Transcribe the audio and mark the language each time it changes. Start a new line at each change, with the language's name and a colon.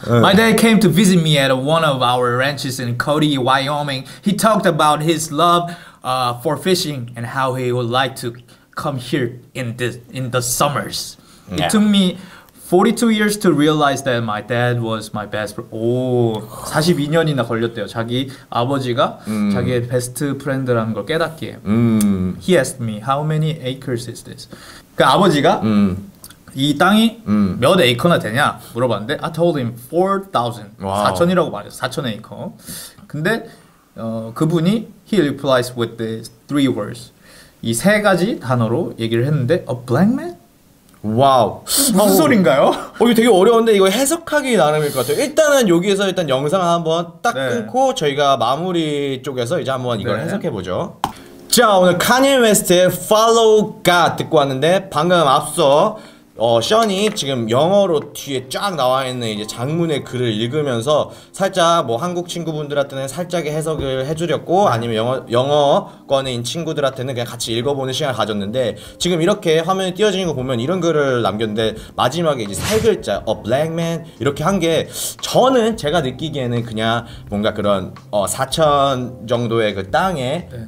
English: My dad came to visit me at one of our ranches in Cody, Wyoming. He talked about his love for fishing and how he would like to come here in the summers. Yeah. It took me 42 years to realize that my dad was my best friend.
Korean: 오, 42년이나 걸렸대요. 자기 아버지가 자기의 베스트 프렌드라는 걸 깨닫기에.
English: He asked me, how many acres is this?
Korean: 그 아버지가 이 땅이 몇 에이커나 되냐 물어봤는데
English: I told him 4,000.
Korean: 4,000이라고 말했어요. 4,000 에이커. 근데 그분이
English: he replies with the three words.
Korean: 이 세 가지 단어로 얘기를 했는데
English: a black man?
Korean: 와우. 무슨 소린가요? 이게 되게 어려운데 이거 해석하기 나름일 것 같아요. 일단은 여기에서 일단 영상을 한번 딱 네. 끊고 저희가 마무리 쪽에서 이제 한번 이걸 네. 해석해보죠. 자, 오늘 카니 웨스트의 Follow God 듣고 왔는데 방금 앞서 션이 지금 영어로 뒤에 쫙 나와 있는 이제 장문의 글을 읽으면서 살짝 뭐 한국 친구분들한테는 살짝의 해석을 해주렸고 아니면 영어권인 친구들한테는 그냥 같이 읽어보는 시간을 가졌는데 지금 이렇게 화면에 띄어지는 거 보면 이런 글을 남겼는데 마지막에 이제 세 글자
English: A black man
Korean: 이렇게 한 게 저는 제가 느끼기에는 그냥 뭔가 그런 4천 정도의 그 땅의 네.